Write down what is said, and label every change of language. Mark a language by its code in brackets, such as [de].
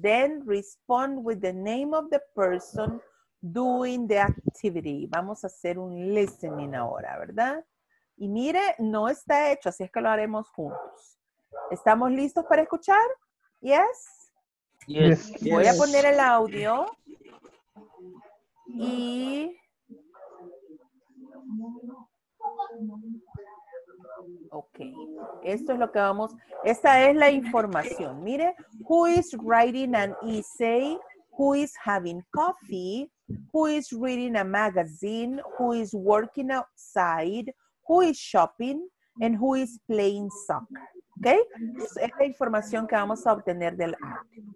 [en] Then respond with the name of the person doing the activity. [es] Vamos a hacer un listening ahora, ¿verdad? Y mire, no está hecho, así es que lo haremos juntos. ¿Estamos listos para escuchar? Yes. [en] Yes. [es] Voy a poner el audio. Y ok, esto es lo que vamos, esta es la información. Mire, [en] who is writing an essay, who is having coffee, who is reading a magazine, who is working outside, who is shopping, and who is playing soccer. [es] Ok, esta es la información que vamos a obtener del app.